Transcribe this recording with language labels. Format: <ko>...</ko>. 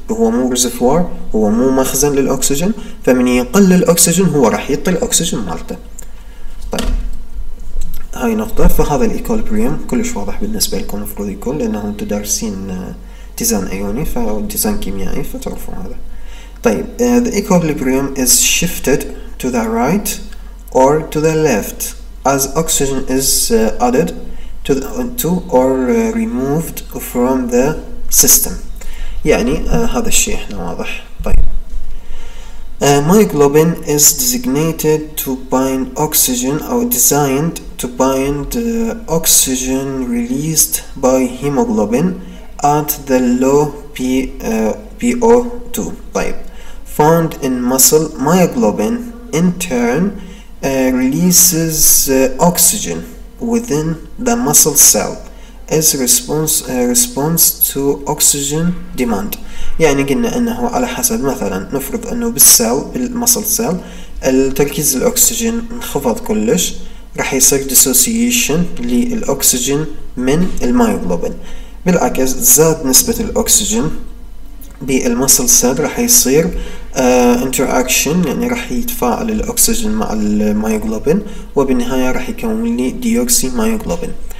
<ar>هو مو ريزرفوار، هو مو مخزن للأكسجين، فمن يقل الأكسجين هو راح يعطي الأكسجين مالته. طيب هاي نقطة. فهذا الإيكوليبريوم كلش واضح بالنسبة لكم المفروض يكون، لأنه أنتم دارسين ديزاين أيوني أو ديزاين كيميائي فتعرفوا هذا.</ar> <en>طيب the equilibrium is shifted to the right or to the left as oxygen is added to removed from the system.</en> <ar>يعني هذا الشيء احنا واضح.</ar> <en>طيب myoglobin is designated to bind oxygen or designed to bind oxygen released by hemoglobin at the low PO2. طيب found in muscle, myoglobin in turn releases oxygen within the muscle cell as response to oxygen demand.</en> <ar>يعني قلنا انه على حسب، مثلا نفرض انه بالسيل بالمسل سيل التركيز الاكسجين انخفض كلش، راح يصير ديسوسيشن للاكسجين من المايوغلوبين. بالعكس زاد نسبة الاكسجين بالمسل سيل راح يصير interaction، يعني راح يتفاعل الأكسجين مع الميوغلوبين وبالنهاية راح يكون لي ديوكسي ميوغلوبين.</ar>